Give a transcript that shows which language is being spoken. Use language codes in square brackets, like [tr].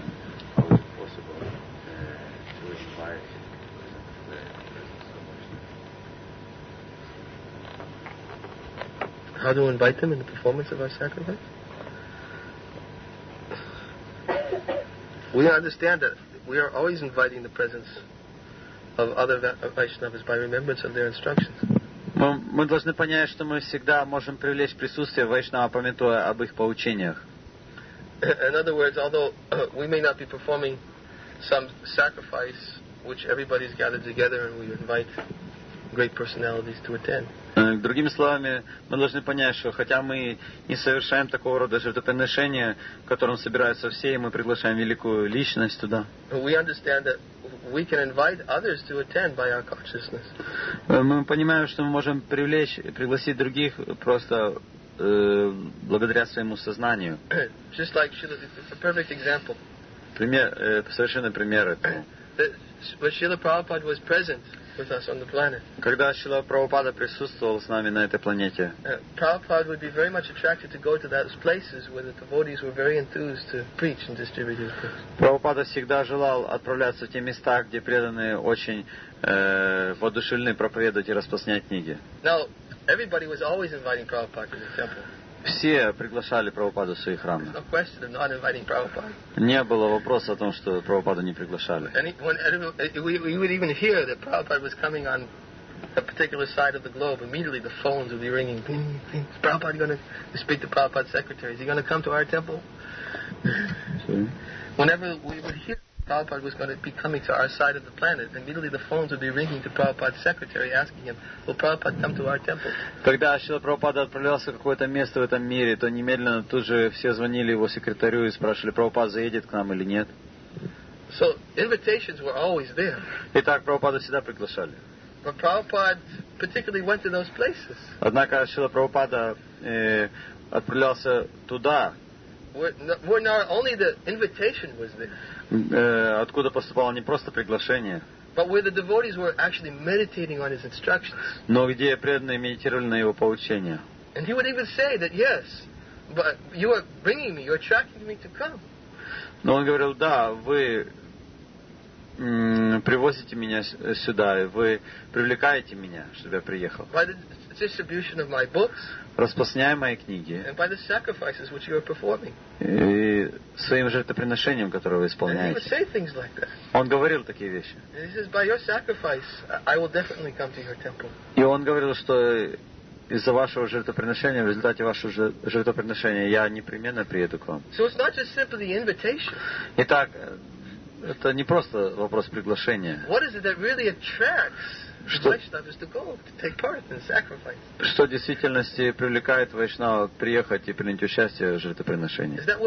[en] And how is it possible to invite the presence of Vaishnava? How do we invite them in the performance of our sacrifice? We understand that we are always inviting the presence of other Vaishnavas by remembrance of their instructions. [ru] Мы должны понять, что мы всегда можем привлечь присутствие вайшнава, памятуя об их поучениях. [en] In other words, although we may not be performing some sacrifice which everybody is gathered together and we invite great personalities to attend. [ru] Другими словами, мы должны понять, что хотя мы не совершаем такого рода жертвоприношения, в котором собираются все, и мы приглашаем великую личность туда. [en] We understand that we can invite others to attend by our consciousness. [ru] Мы понимаем, что мы можем привлечь и пригласить других просто благодаря своему сознанию. [en] Just like Srila, it's a perfect example. [ru] Пример, совершенный пример. [en] When Srila Prabhupada was present with us on the planet, [ru] когда Шрила Прабхупада присутствовал с нами на этой планете, [en] Prabhupada would be very much attracted to go to those places where the devotees were very enthused to preach and distribute his books. [ru] Прабхупада всегда желал отправляться в те места, где преданные очень воодушевлены проповедовать и распространять книги. [en] Now, everybody was always inviting Prabhupada to the temple. [ru] Все приглашали Прабхупаду в свои храмы. [en] No question of not inviting Prabhupada. [ru] Не было вопроса о том, что Прабхупаду не приглашали. [en] We would even hear that Prabhupada was coming on a particular side of the globe, immediately the phones would be ringing. Is Prabhupada going to speak to Prabhupada's secretary? Is he going to come to our temple? Whenever we would hear Prabhupada was going to be coming to our side of the planet, immediately the phones would be ringing to Prabhupada's secretary, asking him, "Will Prabhupada come to our temple?" [ru] Когда Шрила Прабхупада отправлялся в какое-то место в этом мире, то немедленно тут же все звонили его секретарю и спрашивали, Прабхупада заедет к нам или нет. [en] So invitations were always there. [ru] Итак, Прабхупада всегда приглашали. [en] But Prabhupada particularly went to those places. [ru] Однако Шрила Прабхупада отправлялся туда. [en] Where not only the invitation was there. [ru] Откуда поступало не просто приглашение. [en] But where the devotees were actually meditating on his instructions. [ru] Но где преданные медитировали на его поучения. [en] And he would even say that yes, but you are bringing me, you are attracting me to come. [ru] Но он говорил, да, вы привозите меня сюда, и вы привлекаете меня, чтобы я приехал. [en] By the distribution of my books. [ru] Распространяя мои книги. [en] And by the sacrifices which you are performing. [ru] И своим жертвоприношением, которое вы исполняете. [en] And he would say things like that. [ru] Он говорил такие вещи. [en] And he says, by your sacrifice, I will definitely come to your temple. [ru] И он говорил, что из-за вашего жертвоприношения, в результате вашего жертвоприношения, я непременно приеду к вам. [en] So it's not just simply the invitation. [ru] Итак, это не просто вопрос приглашения. [en] What is it that really attracts? [ru] Что в действительности привлекает вайшнава приехать и принять участие в жертвоприношении?